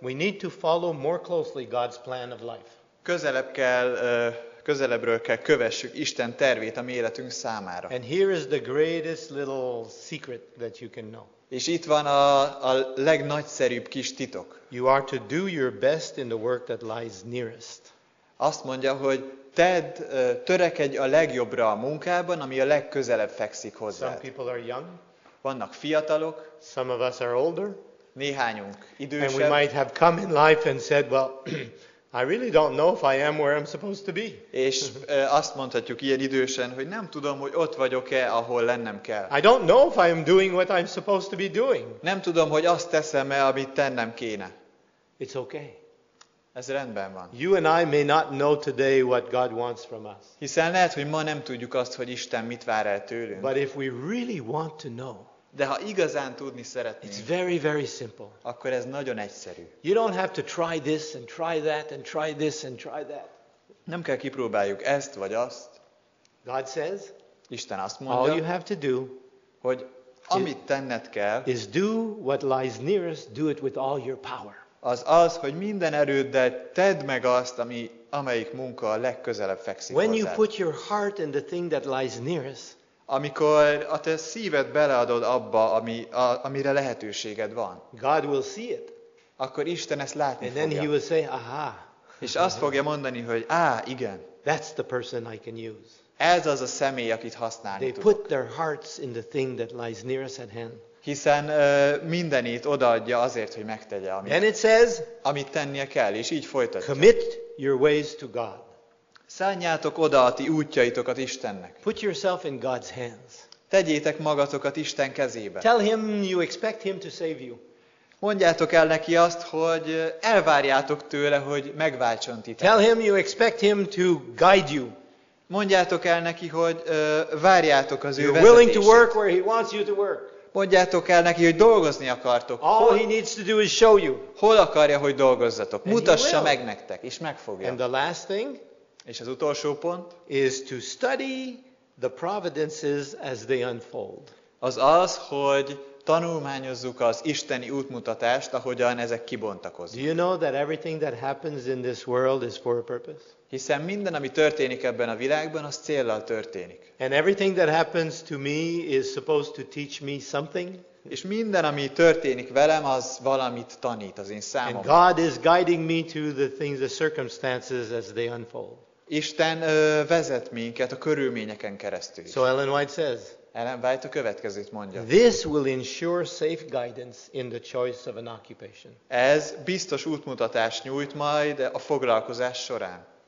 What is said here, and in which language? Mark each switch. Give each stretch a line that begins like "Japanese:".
English: We need to follow more closely God's plan of life.
Hungarian: Közelebb kell, közelebbről kell kövessük Isten tervét a mi életünk számára.
English: And here is the greatest little secret that you can know.
Hungarian: És itt van a legnagyszerűbb kis titok.
English: You are to do your best in the work that lies nearest.
Hungarian: Azt mondja, hogy tedd, törekedj a legjobbra a munkában, ami a legközelebb fekszik hozzád.
English: Some people are young.
Hungarian: Vannak fiatalok.
English: Some of us are older.
Hungarian: Néhányunk idősebb.
English: And we might have come in life and said, well, I really don't know if I am where I'm supposed to be.
Hungarian: És azt mondhatjuk ilyen idősen, hogy nem tudom, hogy ott vagyok-e, ahol lennem kell.
English: I don't know if I am doing what I'm supposed to be doing.
Hungarian: Nem tudom, hogy azt teszem-e, amit tennem kéne.
English: It's okay.
Hungarian: Ez rendben van.
English: You and I may not know today what God wants from us.
Hungarian: Hiszen lehet, hogy ma nem tudjuk azt, hogy Isten mit vár el tőlünk.
English: But if we really want to know,
Hungarian: de ha igazán tudni szeretnénk,
English: it's very, very simple.
Hungarian: Akkor ez nagyon egyszerű.
English: You don't have to try this and try that and try this and try that.
Hungarian: Nem kell kipróbáljuk ezt vagy azt.
English: God says,
Hungarian: Isten azt mondja,
English: all you have to do,
Hungarian: hogy amit tenned kell,
English: is do what lies nearest, do it with all your power.
Hungarian: Az az, hogy minden erőddel tedd meg azt, ami, amelyik munka a legközelebb fekszik
English: when
Hungarian: hozzád.
English: You put your heart in the thing that lies nearest,
Hungarian: amikor a te szíved beleadod abba, ami, a, amire lehetőséged van.
English: God will see it.
Hungarian: Akkor Isten ezt látni
English: and then
Hungarian: fogja.
English: He will say, aha.
Hungarian: És azt fogja mondani, hogy á, igen.
English: That's the person I can use.
Hungarian: Ez az a személy, akit használni
English: they
Hungarian: tudok.
English: Put their hearts in the thing that lies nearest at hand.
Hungarian: Hiszen mindenit odaadja azért, hogy megtegye, amit,
English: and it says,
Hungarian: amit tennie kell, és így folytatja.
English: Commit your ways to God.
Hungarian: Szánjátok oda a ti útjaitokat Istennek.
English: Put yourself in God's hands.
Hungarian: Tegyétek magatokat Isten kezébe.
English: Tell him you expect him to save you.
Hungarian: Mondjátok el neki azt, hogy elvárjátok tőle, hogy megváltson titeket.
English: Tell him you expect him to guide you.
Hungarian: Mondjátok el neki, hogy várjátok az ő
English: you're
Hungarian: vezetését.
English: Willing to work where he wants you to work.
Hungarian: Mondjátok el neki, hogy dolgozni akartok.
English: All he needs to do is show you.
Hungarian: Hol akarja, hogy dolgozzatok? Mutassa meg nektek, és megfogja.
English: And the last thing,
Hungarian: és az utolsó pont,
English: is to study the providences as they unfold.
Hungarian: Az az, hogy tanulmányozzuk az isteni útmutatást, ahogyan ezek kibontakoznak.
English: Do you know that everything that happens in this world is for a purpose?
Hungarian: Hiszen minden, ami történik ebben a világban, az céllal történik.
English: And everything that happens to me is supposed to teach me something.
Hungarian: És minden, ami történik velem, az valamit tanít az én számomra.
English: And God is guiding me to the things, the circumstances as they unfold.
Hungarian: Isten vezet minket a körülményeken keresztül.
English: So Ellen White says,
Hungarian: Ellen White a következőt mondja.
English: This will ensure safe guidance in the choice of an occupation.
Hungarian: Ez biztos útmutatást nyújt majd a foglalkozás során.